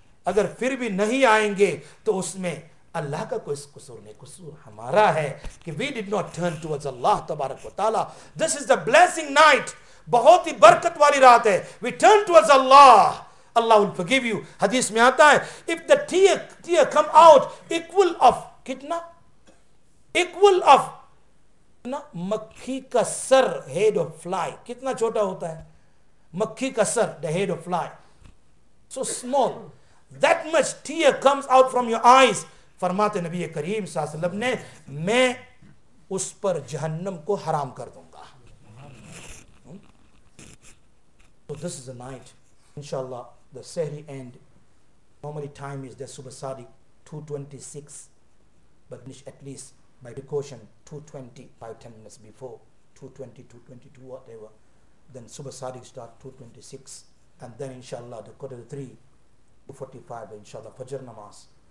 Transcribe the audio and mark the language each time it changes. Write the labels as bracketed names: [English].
[Urdu] اگر پھر بھی نہیں آئیں گے تو اس میں اللہ کا کوئی قصور نہیں, قصور ہمارا ہے کہ [English] we did not turn towards Allah [Urdu] تبارک و تعالی. [English] This is the blessing night, [Urdu] بہت ہی برکت والی رات ہے. [English] We turn towards Allah, Allah will forgive you. [Urdu] حدیث میں آتا ہے [English] if the tear come out equal of [Urdu] کتنا, [English] equal of [Urdu] نا مکھی کا سر, [English] head of fly, [Urdu] کتنا چھوٹا ہوتا ہے مکھی کا سر, [English] the head of fly, so small, that much tear comes out from your eyes. [Urdu] فرماتے نبی کریم صلی اللہ علیہ وسلم نے میں اس پر جہنم کو حرام کر دوں گا. [English] So this is a night, inshallah, the sehri end, normally time is the subah sadi 2:26, but finish at least by precaution 2:20, 5-10 minutes before 2:20, 2:22, whatever, then subah sadiq start 2:26, and then inshallah the qadr 3:45, inshallah fajr namaz.